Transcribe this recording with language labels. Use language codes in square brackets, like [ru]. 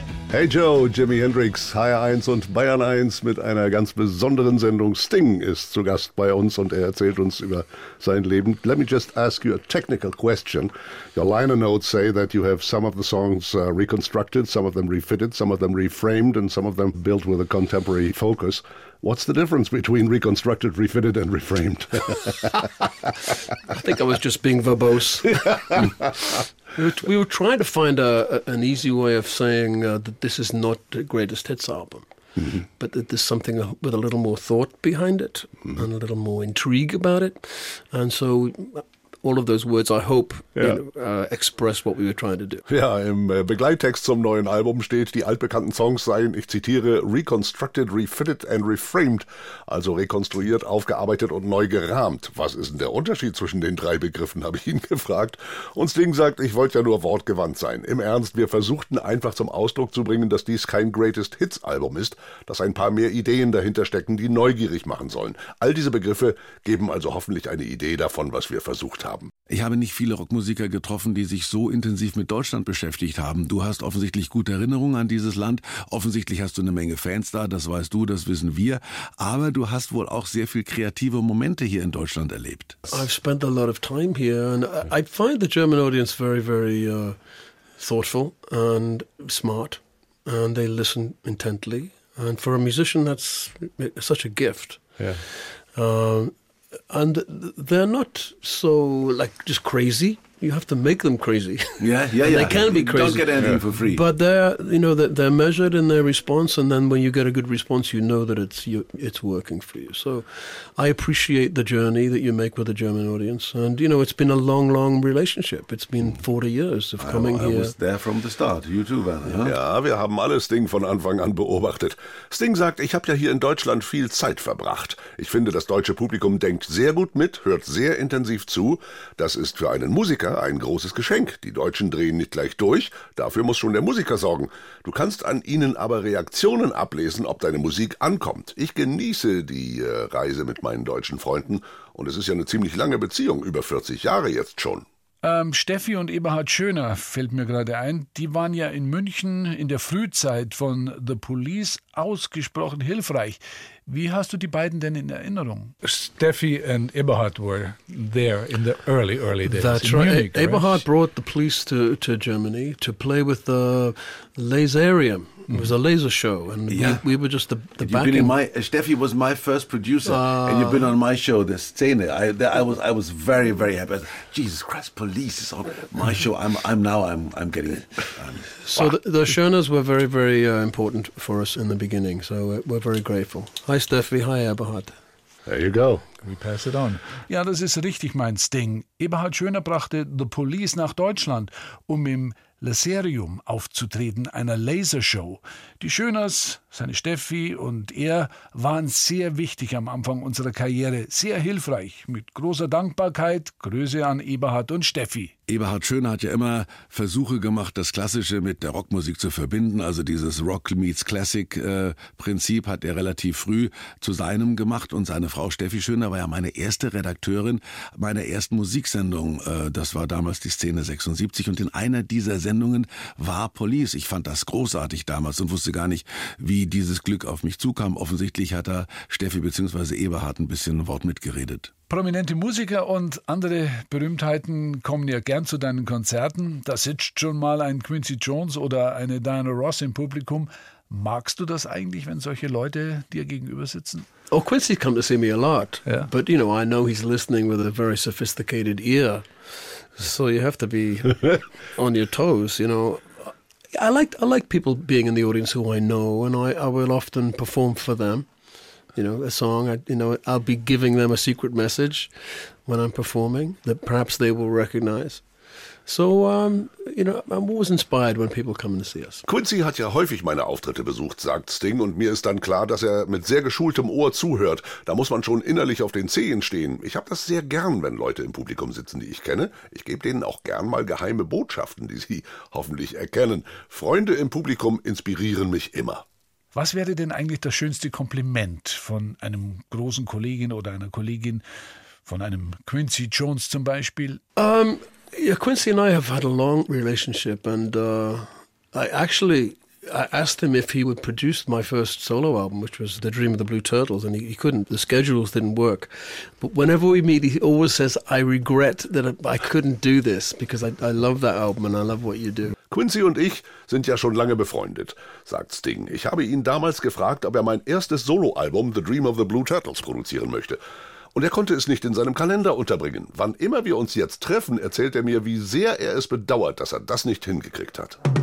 [de] Hey Joe, Jimi Hendrix, HR1 und Bayern 1 mit einer ganz besonderen Sendung. Sting ist zu Gast bei uns und er erzählt uns über sein Leben. [en] Let me just ask you a technical question. Your liner notes say that you have some of the songs reconstructed, some of them refitted, some of them reframed and some of them built with a contemporary focus. What's the difference between reconstructed, refitted and reframed? I think I was just being verbose. We were trying to find an easy way of saying that this is not the greatest hits album, but that there's something with a little more thought behind it and a little more intrigue about it. And so all of those words, I hope, express what we were trying to do. [de] Ja, im Begleittext zum neuen Album steht, die altbekannten Songs seien, ich zitiere, [en] reconstructed, refitted and reframed, [de] also rekonstruiert, aufgearbeitet und neu gerahmt. Was ist denn der Unterschied zwischen den drei Begriffen, habe ich ihn gefragt. Und Sting sagt, ich wollte ja nur wortgewandt sein. Im Ernst, wir versuchten einfach zum Ausdruck zu bringen, dass dies kein Greatest-Hits-Album ist, dass ein paar mehr Ideen dahinter stecken, die neugierig machen sollen. All diese Begriffe geben also hoffentlich eine Idee davon, was wir versucht haben. Ich habe nicht viele Rockmusiker getroffen, die sich so intensiv mit Deutschland beschäftigt haben. Du hast offensichtlich gute Erinnerungen an dieses Land. Offensichtlich hast du eine Menge Fans da, das weißt du, das wissen wir. Aber du hast wohl auch sehr viel kreative Momente hier in Deutschland erlebt. [en] I've spent a lot of time here and I find the German audience very, very thoughtful and smart and they listen intently. And for a musician, that's such a gift. And they're not so, like, just crazy. You have to make them crazy. Yeah. They can be crazy. Don't get anything for free. But they're, you know, they're measured in their response, and then when you get a good response, you know that it's working for you. So I appreciate the journey that you make with the German audience. And, you know, it's been a long, long relationship. It's been 40 years of coming here. I was there from the start. You too, Werner. [de] Ja, wir haben alles Sting von Anfang an beobachtet. Sting sagt, ich habe ja hier in Deutschland viel Zeit verbracht. Ich finde, das deutsche Publikum denkt sehr gut mit, hört sehr intensiv zu. Das ist für einen Musiker ein großes Geschenk. Die Deutschen drehen nicht gleich durch. Dafür muss schon der Musiker sorgen. Du kannst an ihnen aber Reaktionen ablesen, ob deine Musik ankommt. Ich genieße die Reise mit meinen deutschen Freunden. Und es ist ja eine ziemlich lange Beziehung, über 40 Jahre jetzt schon. Steffi und Eberhard Schöner, fällt mir gerade ein, die waren ja in München in der Frühzeit von The Police ausgesprochen hilfreich. Wie hast du die beiden denn in Erinnerung? [en] Steffi and Eberhard were there in the early, early days. That's right. Eberhard brought the Police to Germany to play with the Laserium. It was a laser show, and we were just the backing. Steffi was my first producer, and you've been on my show, The Szene. I was very, very happy. Jesus Christ, Police is on my show. I'm getting it. So the Schöners were very, very important for us in the beginning, so we're very grateful. Hi, Steffi. Hi, Eberhard. There you go. We pass it on. [de] Ja, das ist richtig mein Sting. Eberhard Schöner brachte The Police nach Deutschland, um im Laserium aufzutreten, einer Lasershow. Die Schöners, seine Steffi und er, waren sehr wichtig am Anfang unserer Karriere, sehr hilfreich. Mit großer Dankbarkeit, Grüße an Eberhard und Steffi. Eberhard Schöner hat ja immer Versuche gemacht, das Klassische mit der Rockmusik zu verbinden. Also dieses Rock meets Classic Prinzip hat er relativ früh zu seinem gemacht. Und seine Frau Steffi Schöner war ja meine erste Redakteurin meiner ersten Musiksendung. Das war damals die Szene 76. Und in einer dieser Sendungen war Police. Ich fand das großartig damals und wusste gar nicht, wie dieses Glück auf mich zukam. Offensichtlich hat da Steffi bzw. Eberhard ein bisschen Wort mitgeredet. Prominente Musiker und andere Berühmtheiten kommen ja gern zu deinen Konzerten. Da sitzt schon mal ein Quincy Jones oder eine Diana Ross im Publikum. Magst du das eigentlich, wenn solche Leute dir gegenüber sitzen? [en] Oh, Quincy comes to see me a lot. Yeah. But, you know, I know he's listening with a very sophisticated ear. So you have to be on your toes, you know. I like people being in the audience who I know, and I will often perform for them. You know, a song, I'll be giving them a secret message when I'm performing that perhaps they will recognize. So, I'm always inspired when people come to see us. [de] Quincy hat ja häufig meine Auftritte besucht, sagt Sting, und mir ist dann klar, dass er mit sehr geschultem Ohr zuhört. Da muss man schon innerlich auf den Zehen stehen. Ich habe das sehr gern, wenn Leute im Publikum sitzen, die ich kenne. Ich gebe denen auch gern mal geheime Botschaften, die sie hoffentlich erkennen. Freunde im Publikum inspirieren mich immer. Was wäre denn eigentlich das schönste Kompliment von einem großen Kollegen oder einer Kollegin, von einem Quincy Jones zum Beispiel? [en] Quincy and I have had a long relationship, and I asked him if he would produce my first solo album, which was The Dream of the Blue Turtles, and he couldn't. The schedules didn't work. But whenever we meet, he always says, I regret that I couldn't do this, because I love that album and I love what you do. [de] Quincy und ich sind ja schon lange befreundet, sagt Sting. Ich habe ihn damals gefragt, ob er mein erstes Soloalbum The Dream of the Blue Turtles produzieren möchte. Und er konnte es nicht in seinem Kalender unterbringen. Wann immer wir uns jetzt treffen, erzählt er mir, wie sehr er es bedauert, dass er das nicht hingekriegt hat.